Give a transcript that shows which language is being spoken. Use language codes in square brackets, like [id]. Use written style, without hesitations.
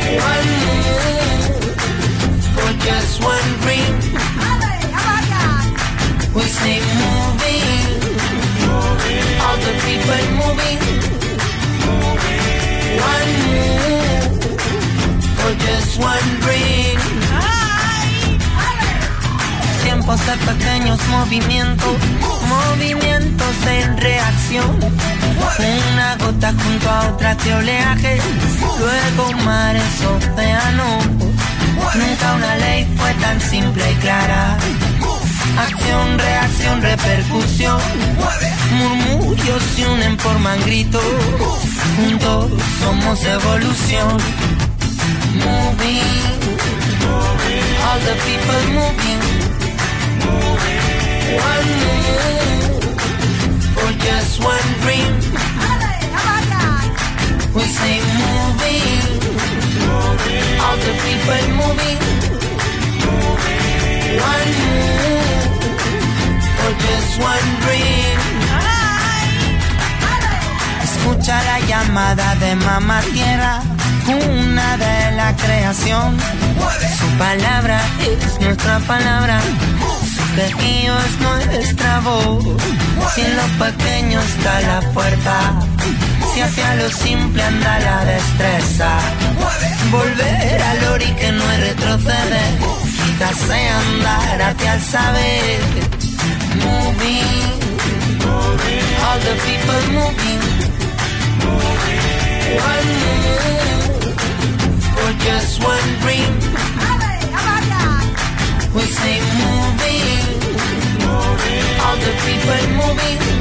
[en] One move for just one ring. We say moving, all the people moving. One move for just one ring. [es] Tiempos de pequeños movimientos, movimientos en reacción. Una gota junto a otra de oleaje, luego mares, océanos. Nunca una ley fue tan simple y clara. Acción, reacción, repercusión. Murmullos se unen, forman gritos. Juntos somos evolución. [en] Moving, all the people moving. One move for just one dream. We say moving, all the people moving. One move for just one dream. [es] Escucha la llamada de mamá tierra, cuna de la creación. Su palabra es nuestra palabra. Tejido es nuestra voz. Si en lo pequeño está la fuerza, si hacia lo simple anda la destreza. Volver al ori que no es retroceder, quizás sea andar hacia el saber. [en] Moving, all the people moving. One move for just one dream. We say moving, all the people moving.